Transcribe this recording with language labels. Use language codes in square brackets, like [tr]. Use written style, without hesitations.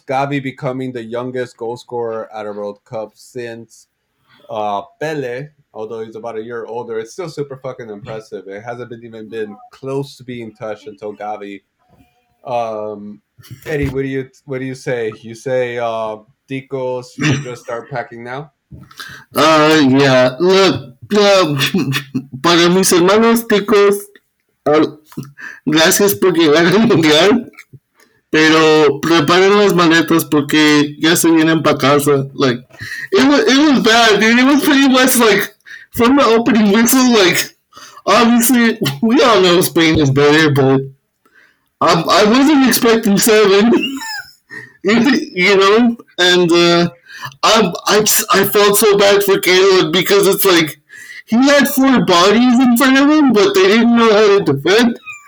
[en] Gavi becoming the youngest goal scorer at a World Cup since Pele, although he's about a year older. It's still super fucking impressive. It hasn't been close to being touched until Gavi. Eddie, what do you say? You say, Dicos, you can just start packing now? Yeah. [es] Look, para mis hermanos, Dicos, gracias por llegar al Mundial, pero preparen las maletas porque ya se vienen para casa. [en] Like, it was bad, dude. It was pretty much like, from the opening whistle, like, obviously, we all know Spain is better, but I wasn't expecting 7, you know, and I felt so bad for Caleb because it's like, he had 4 bodies in front of him, but they didn't know how to defend.